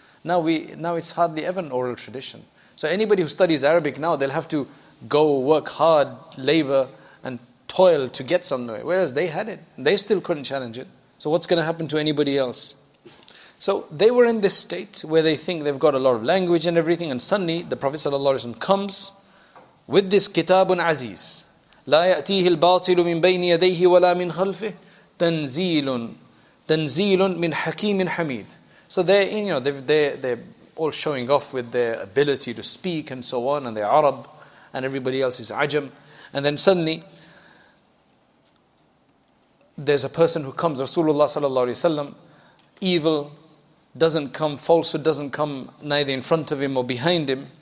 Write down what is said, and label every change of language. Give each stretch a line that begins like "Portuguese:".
English: Now it's hardly ever an oral tradition. So anybody who studies Arabic now, they'll have to go work hard, labor, and toil to get somewhere. Whereas they had it. They still couldn't challenge it. So what's going to happen to anybody else? So they were in this state where they think they've got a lot of language and everything, and suddenly the Prophet ﷺ comes with this kitabun aziz.
Arabic: لا يأتيه الباطل من بين يديه ولا من خلفه تنزيل من حكيم حميد.
English: So they're all showing off with their ability to speak and so on, and they're Arab, and everybody else is Ajam. And then suddenly, there's a person who comes, Rasulullah sallallahu alayhi wa sallam, evil, doesn't come, falsehood doesn't come neither in front of him or behind him.